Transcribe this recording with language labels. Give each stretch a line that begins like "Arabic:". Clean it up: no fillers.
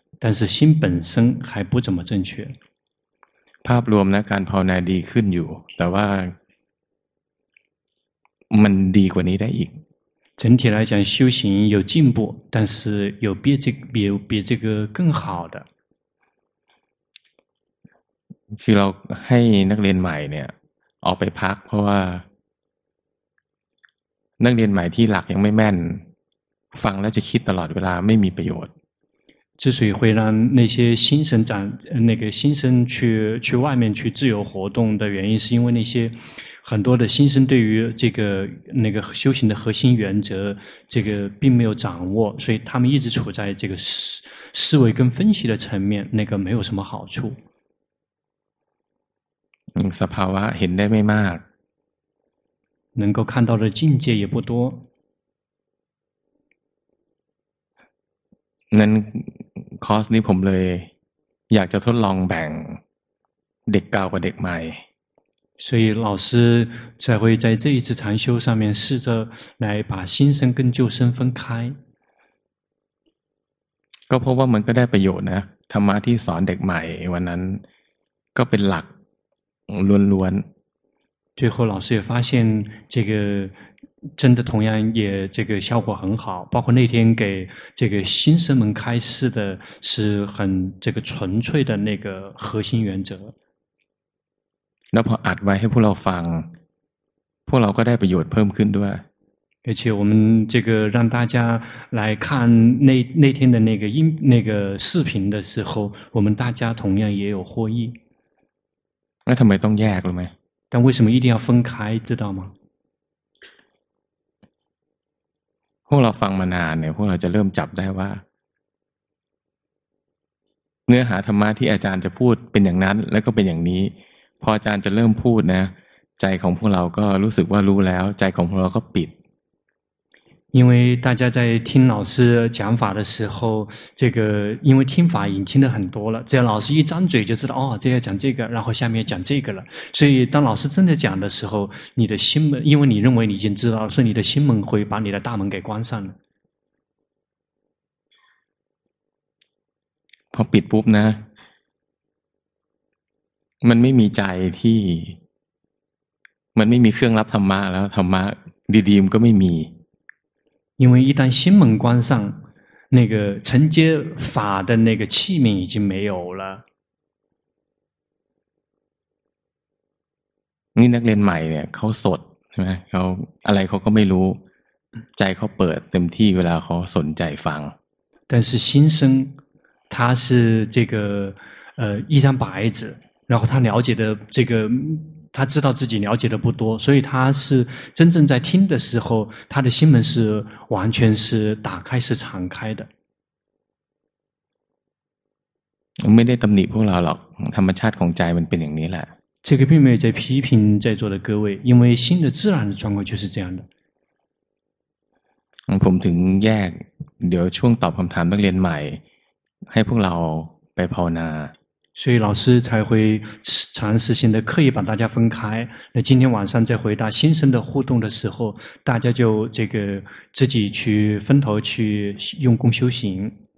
Chinese: 但是心本身还不怎么正确。
Thai: ภาพรวมนะการภาวนาดีขึ้นอยู่แต่ว่ามันดีกว่านี้ได้อีก
Chinese: 整体来讲修行有进步但是有比这个比这个更好的
Thai: คือเราให้นักเรียนใหม่เนี่ยออกไปพักเพราะว่านักเรียนใหม่ที่หลักยังไม่แม่นฟังแล้วจะคิดตลอดเวลาไม่มีประโยชน์
Chinese: 之所以会让那些新生长那个新生去外面去自由活动的原因是因为那些很多的新生对于这个那个修行的核心原则这个并没有掌握所以他们一直处在这个思维跟分析的层面那个没有什么好处
Thai: สภาวะเห็นได้ไม่มาก
Chinese: 能够看到的境界也不多
Thai: นั้นคอร์สนี้ผมเลยอยากจะทดลองแบ่งเด็กเก่ากับเด็กใหม่
Chinese: 所以老师才会在这一次禅修上面试着来把新生跟旧生分开
Thai: ก็เพราะว่ามันก็ได้ประโยชน์นะธรรมะที่สอนเด็กใหม่วันนั้นก็เป็นหลักล้วน
Chinese: ๆ最后老师也发现这个真的同样也这个效果很好包括那天给这个新生们开示的是很这个纯粹的那个核心原则
Thai: 那พออัดไว้ให้พวกเราฟังพวกเราก็ได้ประโยชน์เพิ่มขึ้นด้วย
Chinese: 而且我们这个让大家来看那天的那个音那个视频的时候我们大家同样也有获益
Thai: 那ทำไมต้องแยกรู้ไหม
Chinese: 但为什么一定要分开知道吗
Thai: พวกเราฟังมานานเนี่ยพวกเราจะเริ่มจับได้ว่าเนื้อหาธรรมะที่อาจารย์จะพูดเป็นอย่างนั้นแล้วก็เป็นอย่างนี้พออาจารย์จะเริ่มพูดนะใจของพวกเราก็รู้สึกว่ารู้แล้วใจของพวกเราก็ปิด
Chinese: 因为大家在听老师讲法的时候这个因为听法已经听得很多了只要老师一张嘴就知道哦这要讲这个然后下面讲这个了所以当老师真的讲的时候你的心门因为你认为你已经知道所以你的心门会把你的大门给关上了
Thai: พอปิดปุ๊บนะมันไม่มีใจที่มันไม่มีเครื่องรับธรรมะแล้วธรรมะดีๆมันก็ไม่มี
Chinese: 因为一旦心门关上那个承接法的那个器皿已经没有了
Thai: นี่นักเรียนใหม่เนี่ยเขาสดใช่ไหมเขาอะไรเขาก็ไม่รู้ใจเขาเปิดเต็มที่เวลาเขาสนใจฟัง
Chinese: 但是新生他是这个一张白纸然后他了解的这个他知道自己了解的不多所以他是真正在听的时候他的心门是完全是打开是敞开的我没在
Thai: ตำหนิพวกเราหรอกธรรมชาติของใจมันเป็นอย่างนี้แหละ
Chinese: 这个并没有在批评在座的各位因为心的自然的状况就是这样的
Thai: ผมถึงแยกเดี๋ยวช่วงตอบคำถามนักเรียนใหม่ให้พวกเราไปภาวนา
Chinese: 所以老师才会尝试性的刻意把大家分开那今天晚上在回答新生的互动的时候大家就这个自己去分头去用功修行